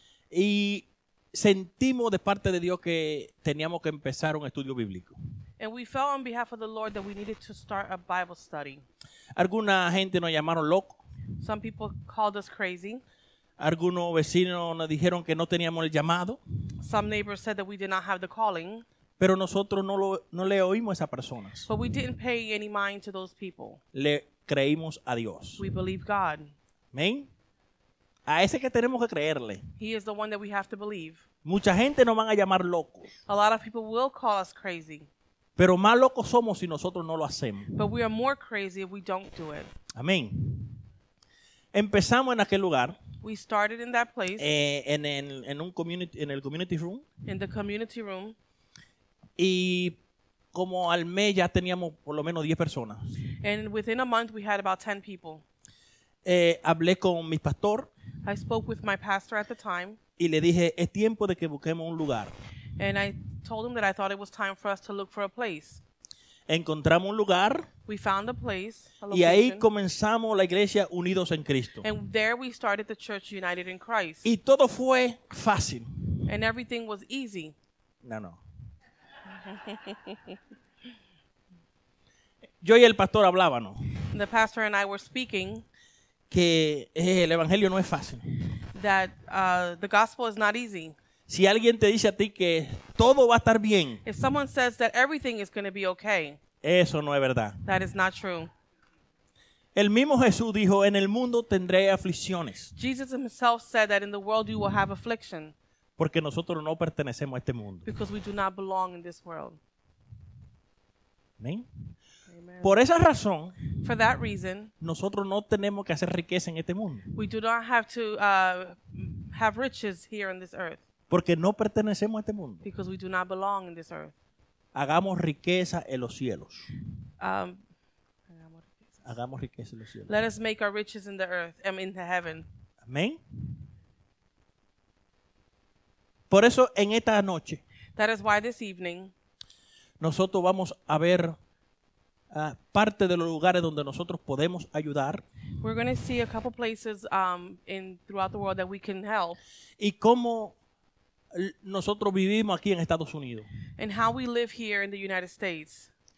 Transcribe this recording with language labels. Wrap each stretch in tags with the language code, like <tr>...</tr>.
<es>Y sentimos de parte de Dios que teníamos que empezar un estudio bíblico.</es> <en>And we felt on behalf of the Lord that we needed to start a Bible study.</en> <es>Alguna gente nos llamaron locos.</es> <en>Some people called us crazy.</en> <es>Algunos vecinos nos dijeron que no teníamos el llamado.</es> <en>Some neighbors said that we did not have the calling.</en> <es>Pero nosotros no le oímos a esas personas.</es> <en>But we didn't pay any mind to those people.</en> <es>Le creímos a Dios.</es> <en>We believe God.</en> <es>Amen. A ese que tenemos que creerle.</es> <en>He is the one that we have to believe.</en> <es>Mucha gente nos van a llamar locos.</es> <en>A lot of people will call us crazy.</en> <es>Pero más locos somos si nosotros no lo hacemos.</es> <en>But we are more crazy if we don't do it.</en> <es>Amén. Empezamos en aquel lugar.</es> <en>We started in that place.</en> <es>En el community room.</es> <en>In the community room.</en> <es>Y como al mes ya teníamos por lo menos 10 personas.</es> <en>And within a month we had about 10 people.</en> <es>Hablé con mi pastor.</es> <en>I spoke with my pastor at the time.</en> <es>Y le dije, es tiempo de que busquemos un lugar.</es> <en>And I told him that I thought it was time for us to look for a place.</en> <es>Encontramos un lugar.</es> <en>We found a place, a location.</en> <es>Y ahí comenzamos la iglesia Unidos en Cristo.</es> <en>And there we started the church United in Christ.</en> <es>Y todo fue fácil.</es> <en>And everything was easy.</en> <es>No. Yo y el pastor hablábamos.</es> <en>The pastor and I were speaking.</en> <es>Que el evangelio no es fácil.</es> <en>That the gospel is not easy.</en> <es>Si alguien te dice a ti que todo va a estar bien.</es> <en>If someone says that everything is going to be okay.</en> <es>Eso no es verdad.</es> <en>That is not true.</en> <es>El mismo Jesús dijo, en el mundo tendré aflicciones.</es> <en>Jesus himself said that in the world you will have affliction.</en> <es>Porque nosotros no pertenecemos a este mundo.</es> <en>Because we do not belong in this world.</en> <es>Amen. Por esa razón,</es> <en>for that reason,</en> <es>nosotros no tenemos que hacer riqueza en este mundo.</es> <en>We do not have to have riches here in this earth.</en> <es>Porque no pertenecemos a este mundo.</es> <en>Because we do not belong in this earth.</en> <es>Hagamos riqueza en los cielos. Hagamos riqueza en los cielos.</es> <en>Let us make our riches in the earth, in the heaven.</en> <es>Amén. Por eso en esta noche,</es> <en>that is why this evening,</en> <es>nosotros vamos a ver parte de los lugares donde nosotros podemos ayudar.</es> <en>We're going to see a couple places throughout the world that we can help.</en> <es>Y cómo nosotros vivimos aquí en Estados Unidos.</es> <en>And how we live here in the United States.</en>